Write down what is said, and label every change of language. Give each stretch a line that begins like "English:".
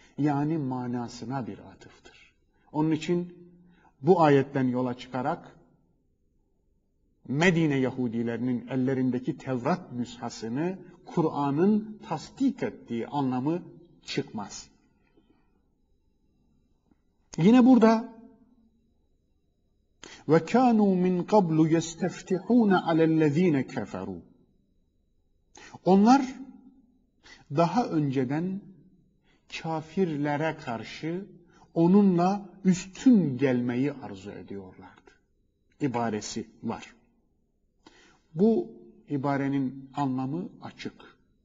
Turkish: Yani manasına bir atıftır. Onun için bu ayetten yola çıkarak Medine Yahudilerinin ellerindeki Tevrat nüshasını Kur'an'ın tasdik ettiği anlamı çıkmaz. Yine burada
Arabic: وَكَانُوا مِنْ قَبْلُ يَسْتَفْتِحُونَ عَلَى الَّذ۪ينَ كَفَرُوا.
Turkish: Onlar daha önceden kafirlere karşı onunla üstün gelmeyi arzu ediyorlardı. İbaresi var. Bu ibarenin anlamı açık.